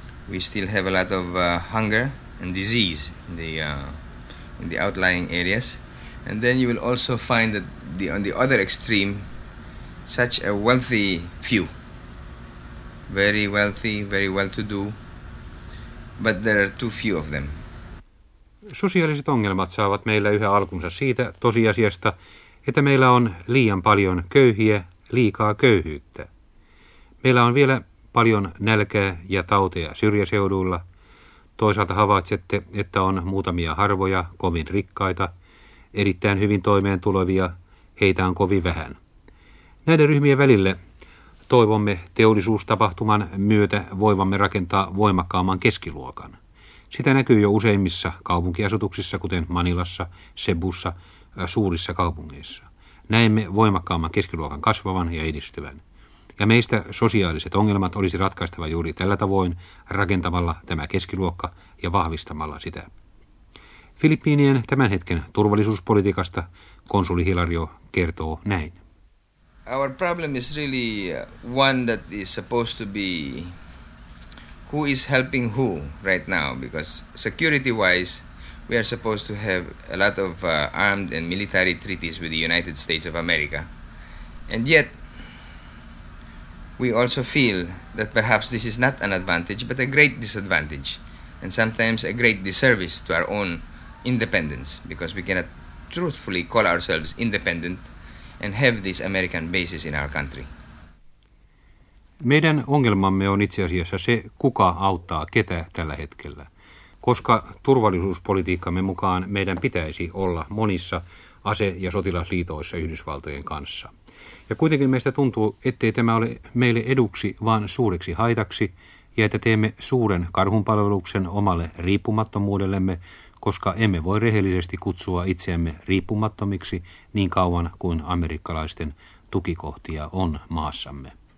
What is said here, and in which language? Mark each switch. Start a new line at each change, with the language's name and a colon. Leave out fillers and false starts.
English: We still have a lot of hunger and disease in the outlying areas. And then you will also find that on the other extreme, such a wealthy few, very wealthy, very well-to-do, but there are too few of them.
Finnish: Sosiaaliset ongelmat saavat meillä yhä alkunsa siitä tosiasiasta, että meillä on liian paljon köyhiä, liikaa köyhyyttä. Meillä on vielä paljon nälkää ja tauteja syrjäseuduilla. Toisaalta havaitsette, että on muutamia harvoja, kovin rikkaita, erittäin hyvin toimeentulevia, heitä on kovin vähän. Näiden ryhmien välille toivomme teollisuustapahtuman myötä voivamme rakentaa voimakkaamman keskiluokan. Sitä näkyy jo useimmissa kaupunkiasutuksissa, kuten Manilassa, Cebussa, suurissa kaupungeissa. Näemme voimakkaamman keskiluokan kasvavan ja edistyvän. Ja meistä sosiaaliset ongelmat olisi ratkaistava juuri tällä tavoin, rakentamalla tämä keskiluokka ja vahvistamalla sitä. Filippiinien tämän hetken turvallisuuspolitiikasta konsuli Hilario kertoo näin.
English: Our problem is really one that is supposed to be who is helping who right now, because security-wise we are supposed to have a lot of armed and military treaties with the United States of America. And yet, we also feel that perhaps this is not an advantage, but a great disadvantage, and sometimes a great disservice to our own independence, because we cannot truthfully call ourselves independent and have these American bases in our country.
Finnish: Meidän ongelmamme on itse asiassa se, kuka auttaa ketä tällä hetkellä. Koska turvallisuuspolitiikkamme mukaan meidän pitäisi olla monissa ase- ja sotilasliitoissa Yhdysvaltojen kanssa. Ja kuitenkin meistä tuntuu, ettei tämä ole meille eduksi, vaan suureksi haitaksi, ja että teemme suuren karhunpalveluksen omalle riippumattomuudellemme, koska emme voi rehellisesti kutsua itseämme riippumattomiksi niin kauan kuin amerikkalaisten tukikohtia on maassamme.